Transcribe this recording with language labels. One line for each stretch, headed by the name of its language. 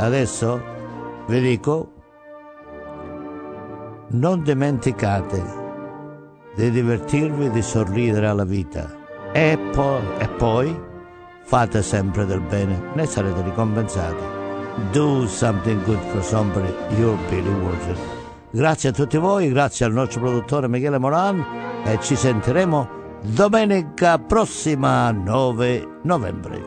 Italian: Adesso vi dico, non dimenticate di divertirvi, di sorridere alla vita e poi fate sempre del bene, ne sarete ricompensati.
English: Do something good for somebody, you're really worth it.
Italian: Grazie a tutti voi, grazie al nostro produttore Michele Moran e ci sentiremo domenica prossima, 9 novembre.